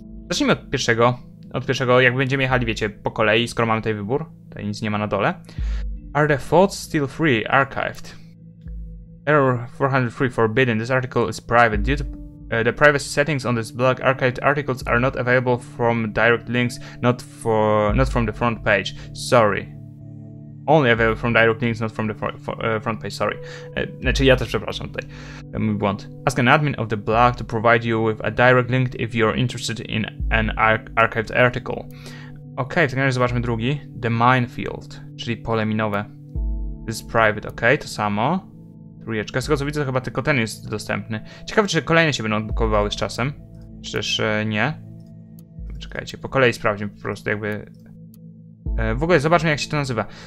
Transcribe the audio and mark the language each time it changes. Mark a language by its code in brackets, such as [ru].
[pl] Zacznijmy od pierwszego. Jak będziemy jechali, wiecie, po kolei, skoro mamy tutaj wybór. Tutaj nic nie ma na dole. [en] Are the thoughts still free? Archived. Error 403 forbidden. This article is private. Due to the privacy settings on this blog, archived articles are not available from direct links, not from the front page. Sorry. Only available from direct links, not from the front page, sorry. [pl] Znaczy ja też przepraszam tutaj. Mój błąd. [en] Ask an admin of the blog to provide you with a direct link if you're interested in an archived article. [pl] Okej, w takim razie zobaczmy drugi. [en] The minefield, [pl] czyli pole minowe. [en] This is private, [pl] okej, to samo. Trójeczka. Z tego co widzę, to chyba tylko ten jest dostępny. Ciekawe, czy kolejne się będą odblokowywały z czasem. Czy też nie. Czekajcie, po kolei sprawdźmy po prostu jakby... W ogóle zobaczmy, jak się to nazywa.